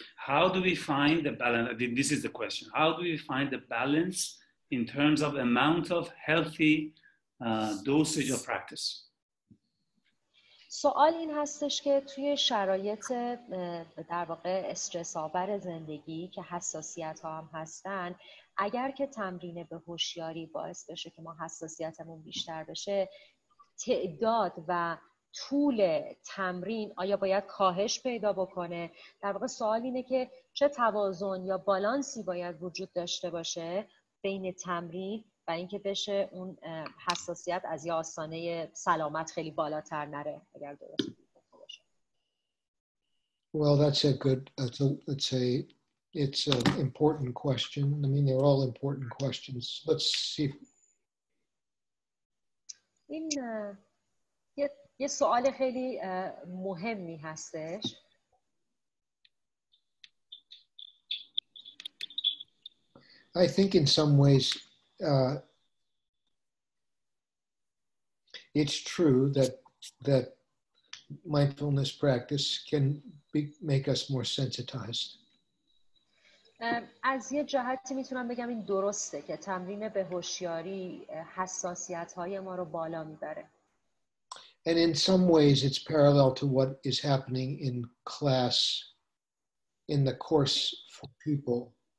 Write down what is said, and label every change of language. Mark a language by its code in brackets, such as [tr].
[en] How do we find the balance? I mean, this is the question. How do we find the balance in terms of amount of healthy dosage of practice? [fa] سوال این هستش که توی شرایط در واقع استرس آور زندگی که حساسیت ها هم هستن اگر که تمرین به هوشیاری باعث بشه که ما حساسیتمون بیشتر بشه تعداد و طول تمرین آیا باید کاهش پیدا بکنه در واقع سوال اینه که چه توازن یا بالانسی باید وجود داشته باشه بین تمرین و اینکه بشه اون حساسیت از یه آستانه سلامت خیلی بالاتر نره اگر درست باشه. [en] Well, that's a good, let's say, it's an important question. I mean, they're all important questions. Let's see. [fa] این یه سوال خیلی مهمی هستش. [en] I think in some ways, It's true that mindfulness practice can make us more sensitized. [fa] از یه جهتی میتونم بگم این درسته که تمرین به هوشیاری حساسیت‌های ما رو بالا می‌بره. [en] And in some ways it's parallel to what is happening in class in the course for people.